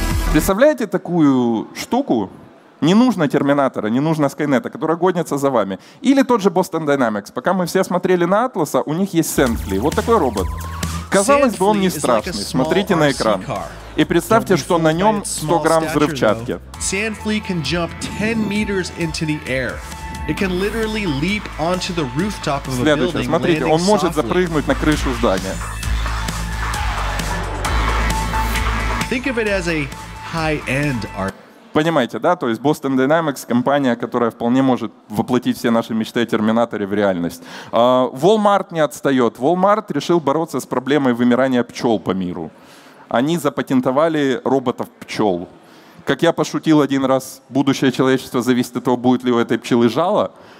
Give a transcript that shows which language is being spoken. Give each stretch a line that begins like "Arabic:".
Russian: Представляете такую штуку? Не нужно Терминатора, не нужно Скайнета, которая гонится за вами. Или тот же Boston Dynamics. Пока мы все смотрели на Атласа, у них есть Сентли. Вот такой робот. Казалось бы, он не страшный. Смотрите на экран. И представьте, что на нем 100 грамм взрывчатки.
English: Sandflea can jump 10 meters into the air. It can literally leap onto the rooftop of a building.
Russian: Следующее, смотрите, он может запрыгнуть на крышу здания.
English: Think of it as a high-end art.
Russian: Понимаете, да? То есть Boston Dynamics — компания, которая вполне может воплотить все наши мечты о Терминаторе в реальность. Walmart не отстает. Walmart решил бороться с проблемой вымирания пчел по миру. Они запатентовали роботов-пчел. Как я пошутил один раз, будущее человечества зависит от того, будет ли у этой пчелы жало.